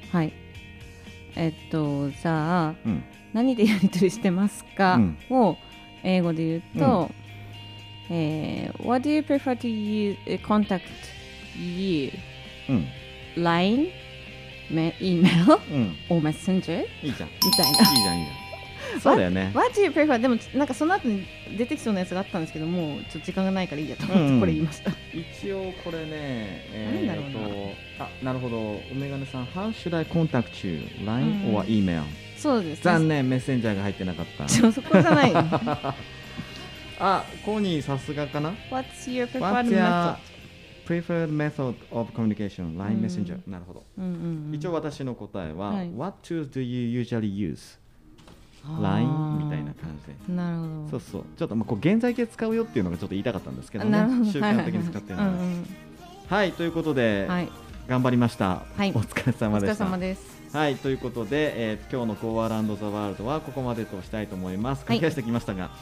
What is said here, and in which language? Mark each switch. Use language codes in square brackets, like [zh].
[ja] はい、じゃあ、うん、何でやり取りしてますか、うん、を英語で言うと、うん、 [en] What do you prefer to use, contact you?、 [ja] うん、 [en] LINE? Email?、 [ja] うん、 [en] or Messenger? [ja] いいじゃん。みたいな。いいじゃん、いいじゃん。そうだよね。 [en] What do you prefer? [ja] でも、なんかその後に出てきそうなやつがあったんですけど、もうちょっと時間がないからいいやと思って、これ言いました。うんうん、一応これね、何だろうな。あ、なるほど。 [en] おめがねさん、How should I contact you? LINE or Email?、 [ja] うん、そうです。残念、メッセンジャーが入ってなかった。ちょ、そこじゃない。あ、コニーさすがかな。 [en] What's your preferred method? What's your preferred method of communication? LINE、うん、Messenger。 [ja] なるほど、うんうん、一応私の答えは、はい、 [en] What tools do you usually use? [ja] LINE みたいな感じで。なるほど、そうそう、ちょっとまあこう現在形使うよっていうのがちょっと言いたかったんですけどね。なるほど、習慣的に使ってるので、うんうん、はい、ということで、はい、頑張りました、はい、お疲れ様でした。お疲れ様です。はい、ということで、今日のコアランドザワールドはここまでとしたいと思います。駆け足してきましたが、